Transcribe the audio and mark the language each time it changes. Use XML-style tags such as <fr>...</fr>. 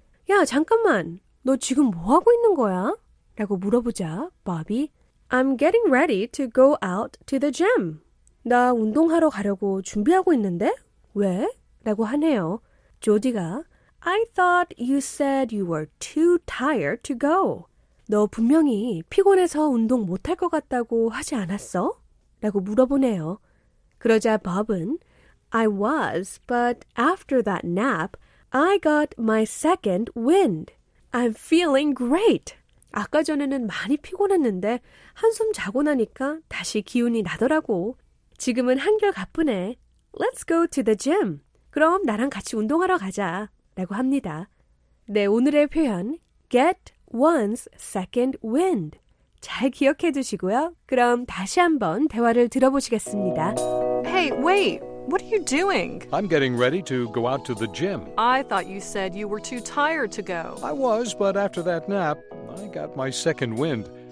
<ko>야, 잠깐만, 너 지금 뭐 하고 있는 거야? 라고 물어보자 밥이</ko> <en>I'm getting ready to go out to the gym.</en> <ko>나 운동하러 가려고 준비하고 있는데? 왜? 라고 하네요.</ko> <en>조디가 I thought you said you were too tired to go.</en> <ko>너 분명히 피곤해서 운동 못할 것 같다고 하지 않았어? 라고 물어보네요. 그러자 밥은</ko> <en>I was, but after that nap, I got my second wind. I'm feeling great.</en> <ko>아까 전에는 많이 피곤했는데 한숨 자고 나니까 다시 기운이 나더라고. 지금은 한결가쁘네.</ko> <en>Let's go to the gym.</en> <ko>그럼 나랑 같이 운동하러 가자. 라고 합니다. 네, 오늘의 표현</ko> <en>get one's second wind.</en> <ko>잘 기억해 두시고요. 그럼 다시 한번 대화를 들어보시겠습니다.</ko> <en>Hey, wait. What are you doing? I'm getting ready to go out to the gym. I thought you said you were too tired to go. I was, but after that nap, I got my second wind.</en>